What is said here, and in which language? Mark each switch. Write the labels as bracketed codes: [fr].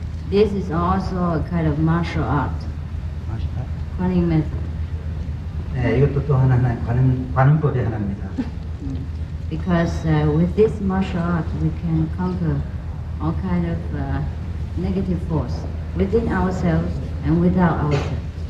[en] This is also a kind of martial art. Guanyin method. [ko] 네, 이것도 또 하나의 관음법의 하나입니다. [en] Because with this martial art, we can conquer all kind of negative force within ourselves and without ourselves.